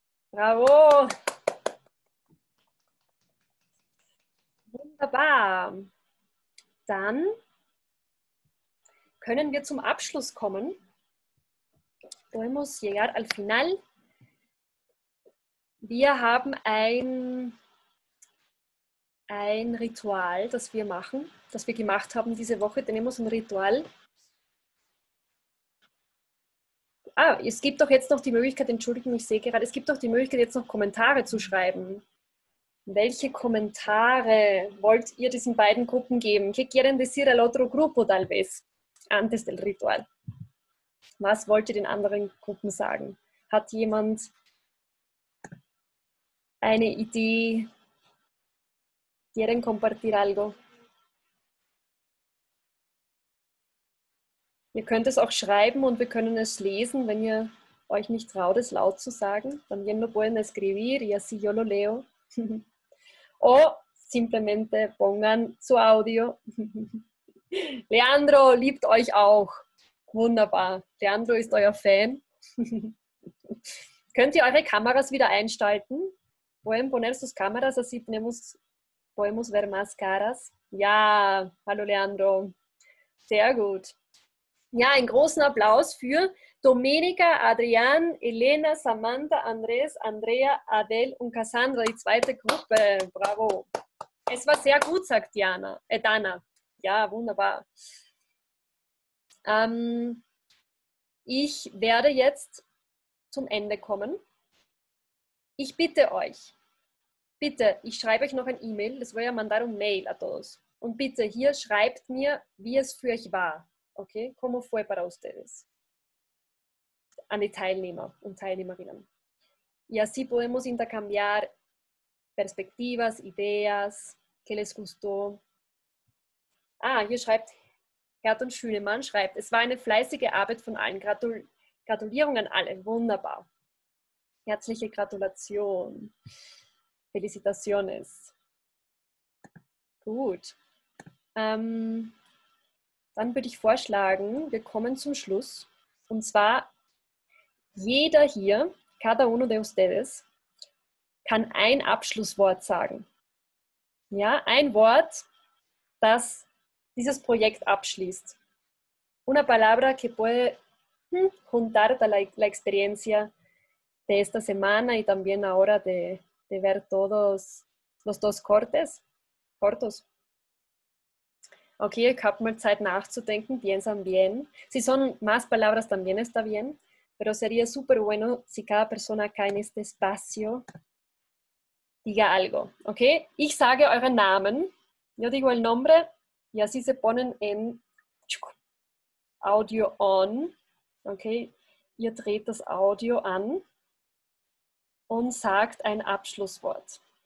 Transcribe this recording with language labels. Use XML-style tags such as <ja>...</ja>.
<de>Bravo. Wunderbar. Dann können wir zum Abschluss kommen.</de> <es>Podemos llegar al final.</es> <de>Wir haben ein Ritual, das wir machen, das wir gemacht haben diese Woche.</de> <es>Tenemos un Ritual.</es> <de>Ah, es gibt doch jetzt noch die Möglichkeit, entschuldigen, ich sehe gerade, es gibt doch die Möglichkeit, jetzt noch Kommentare zu schreiben. Welche Kommentare wollt ihr diesen beiden Gruppen geben?</de> <es>¿Qué quieren decir al otro grupo, tal vez? Antes del Ritual.</es> <de>Was wollt ihr den anderen Gruppen sagen? Hat jemand eine Idee?</de> <es>¿Quieren compartir algo?</es> <de>Ihr könnt es auch schreiben und wir können es lesen, wenn ihr euch nicht traut, es laut zu sagen.</de> <es>También lo pueden escribir y así yo lo leo. O simplemente pongan su audio.</es> <de>Leandro liebt euch auch. Wunderbar. Leandro ist euer Fan. Könnt ihr eure Kameras wieder einschalten?</de> <es>Pueden poner sus cameras, así tenemos, podemos ver más caras.</es> <de>Ja, hallo Leandro. Sehr gut. Ja, einen großen Applaus für Domenica, Adrian, Elena, Samantha, Andres, Andrea, Adele und Cassandra, die zweite Gruppe. Bravo. Es war sehr gut, sagt Diana. Dana. Ja, wunderbar. Ich werde jetzt zum Ende kommen. Ich bitte euch, bitte, ich schreibe euch noch ein E-Mail. Das war ja</de> <es>mandar un mail a todos.</es> <de>Und bitte, hier schreibt mir, wie es für euch war.</de> <es>Okay, como fue para ustedes.</es> <de>An die Teilnehmer und Teilnehmerinnen.</de> <es>Y así podemos intercambiar perspectivas, ideas, que les gustó.</es> <de>Ah, hier schreibt Gerd und Schünemann, schreibt, es war eine fleißige Arbeit von allen. Gratulierung an alle. Wunderbar. Herzliche Gratulation.</de> <es>Felicitaciones. Gut.</es> <de>Dann würde ich vorschlagen, wir kommen zum Schluss. Und zwar, jeder hier,</de> <es>cada uno de ustedes,</es> <de>kann ein Abschlusswort sagen. Ja, ein Wort, das dieses Projekt abschließt.</de> <es>Una palabra que puede juntar la experiencia de esta semana y también ahora de ver todos los dos cortos.</es> <de>Okay, ich habe mal Zeit nachzudenken.</de> <es>Piensan bien. Si son más palabras, también está bien. Pero sería súper bueno si cada persona acá en este espacio diga algo. Okay?</es> <de>Ich sage euren Namen.</de> <es>Yo digo el nombre. Y así se ponen en Audio on. Okay?</es> <de>Ihr dreht das Audio an und sagt ein Abschlusswort.</de>